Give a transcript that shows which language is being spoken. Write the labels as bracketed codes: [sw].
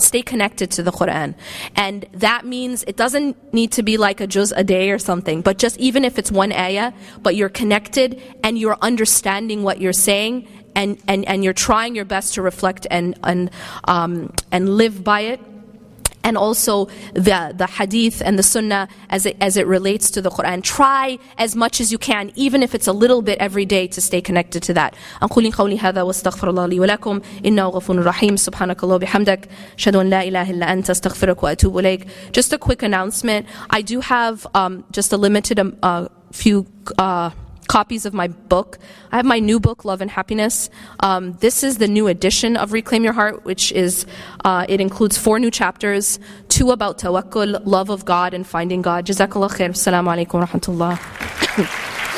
[en] Stay connected to the Quran. And that means it doesn't need to be like a juz a day or something, but just even if it's one ayah, but you're connected and you're understanding what you're saying, and you're trying your best to reflect and live by it. And also the hadith and the sunnah as it relates to the Quran. Try as much as you can, even if it's a little bit every day, to stay connected to that. I'm quoting [ar] قولي هذا واستغفر الله لي ولكم إنه غفور رحيم سبحانك الله وبحمدك أشهد أن لا إله إلا أنت استغفرك وأتوب إليك. [en] Just a quick announcement. I do have just a limited few copies of my book. I have my new book, Love and Happiness. This is the new edition of Reclaim Your Heart, which is, it includes 4 new chapters, 2 about tawakkul, love of God and finding God. Jazakallah khair. Assalamu alaikum wa rahmatullah.